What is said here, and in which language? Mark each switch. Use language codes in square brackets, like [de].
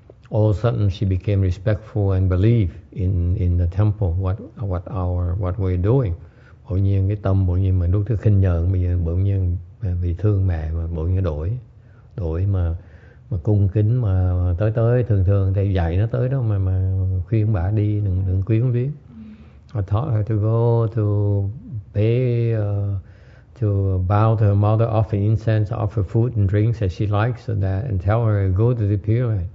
[en] All of a sudden she became respectful and believed in the temple, what we're doing. [vi] Bỗng nhiên cái tâm bỗng nhiên mà lúc trước khinh nhờn, bỗng nhiên vì thương mẹ mà bỗng nhiên đổi mà cung kính, mà tới thường thường thầy dạy nó tới đó mà khuyên bà đi đừng quyến luyến. [en] I taught her to go to pay to bow to her mother, offer incense, offer food and drinks that she likes, so that, and tell her go to the Pure Land.